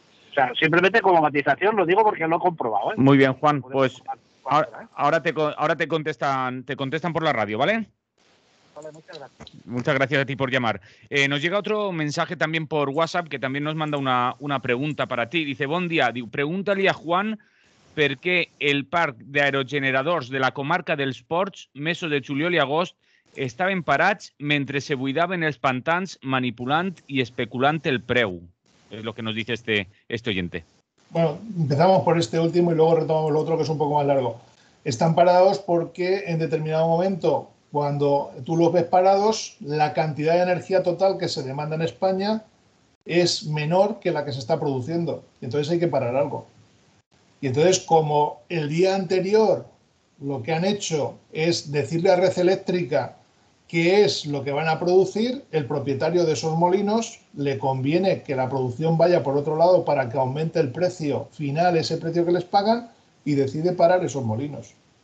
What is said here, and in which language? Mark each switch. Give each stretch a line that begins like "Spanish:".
Spanish: O sea, simplemente como matización lo digo porque lo he comprobado, ¿eh? Muy bien, Juan, pues ahora te contestan por la radio, ¿vale? Muchas gracias a ti por llamar. Nos llega otro mensaje también por WhatsApp que también nos manda una pregunta para ti. Dice, buen día, pregúntale a Juan
Catalan: per què el parc d'aerogeneradors de la comarca dels Ports, mesos de juliol i agost, estaven parats mentre se buidaven els pantans manipulant i especulant el preu. És el que ens diu
Spanish: este oyente. Bueno, empezamos por este último y luego retomamos el otro, que es un poco más largo. Están parados porque en determinado momento, cuando tú los ves parados, la cantidad de energía total que se demanda en España es menor que la que se está produciendo. Entonces hay que parar algo. Y entonces, como el día anterior lo que han hecho es decirle a Red Eléctrica qué es lo que van a producir, el propietario de esos molinos le conviene que la producción vaya por otro lado para que aumente el precio final, ese precio que les pagan, y decide parar esos molinos.